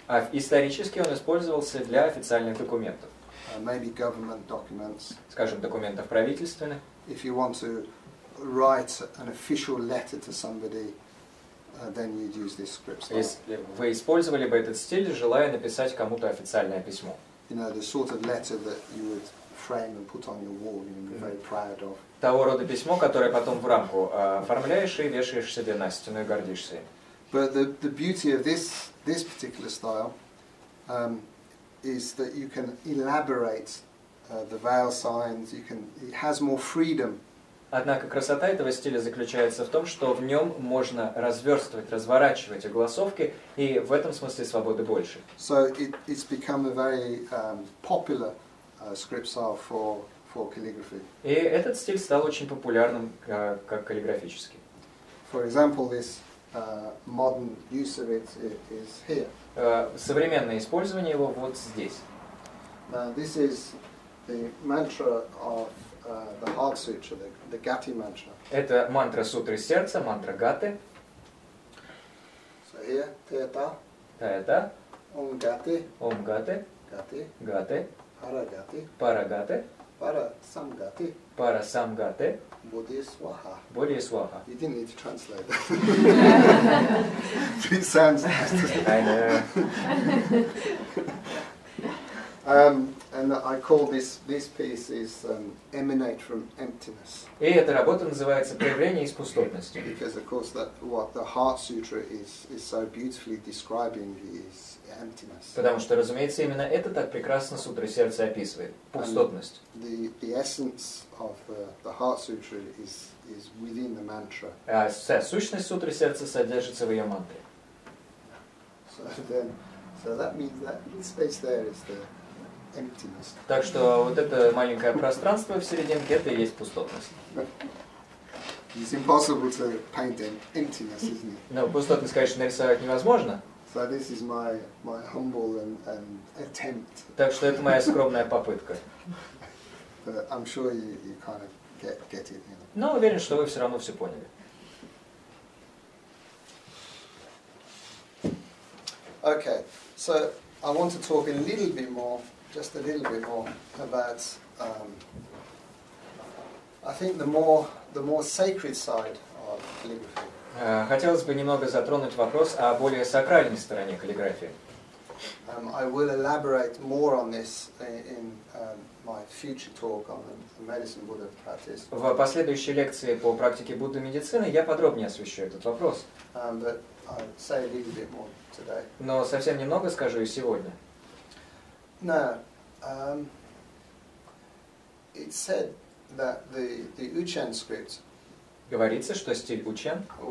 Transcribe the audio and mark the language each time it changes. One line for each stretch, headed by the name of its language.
Russian: А исторически он использовался для официальных документов.
English: Maybe government documents.
Russian: Скажем, документов правительственных.
English: If you want to write an official letter to somebody, then you'd use this script style.
Russian: Если вы использовали бы этот стиль, желая написать кому-то официальное письмо.
English: You know, the sort of letter that you would frame and put on your wall, you'd be very proud of.
Russian: Того рода письмо, которое потом в рамку оформляешь и вешаешь себе на стену и гордишься им.
English: But the beauty of this particular style is that you can elaborate the vowel signs. You can it has more freedom.
Russian: Однако красота этого стиля заключается в том, что в нем можно разверстывать, разворачивать огласовки, и в этом смысле свободы больше.
English: So it's become a very popular script style for calligraphy.
Russian: И этот стиль стал очень популярным как каллиграфический.
English: For example, this modern use of it is here.
Russian: Современное использование его вот здесь.
English: This is the mantra of the Heart Sutra, the Gati mantra.
Russian: Это мантра сутры сердца, мантра Гаты.
English: So here,
Sanskrit: Тета. Тета. Ом Гати. Ом Гати. Гати. Гати. Пара Гати. Пара Гати. Пара самгати. Пара самгати. Буди сваха. Буди сваха.
English: You didn't need to translate that. It sounds nice. I know. And I call this piece is emanate from emptiness.
Russian: И эта работа называется «Проявление из пустотности».
English: Because of course that what the Heart Sutra is so beautifully describing is emptiness.
Russian: Потому что, разумеется, именно это так прекрасно Сутра Сердца описывает пустотность.
English: And the essence of the Heart Sutra is within the mantra.
Russian: А вся сущность Сутры Сердца содержится в ее мантре.
English: So that means that space there is the emptiness.
Russian: Так что вот это маленькое пространство в серединке, это и есть пустотность.
English: It's impossible to paint emptiness, isn't it?
Russian: Но пустотность, конечно, нарисовать невозможно.
English: So this is my humble and attempt.
Russian: Так что это моя скромная попытка.
English: But I'm sure you kind of get it, you know.
Russian: Но уверен, что вы все равно все поняли.
English: Okay, so I want to talk a little bit more. Just a little bit more about. I think the more sacred side of calligraphy.
Russian: Хотелось бы немного затронуть вопрос о более сакральной стороне каллиграфии.
English: I will elaborate more on this in my future talk on the medicine Buddha practice.
Russian: В последующей лекции по практике Будды медицины я подробнее освещу этот вопрос.
English: But I'll say a little bit more today.
Russian: Но совсем немного скажу и сегодня.
English: Now, it's said that the Uchen script.
Russian: Говорится, что стиль Учен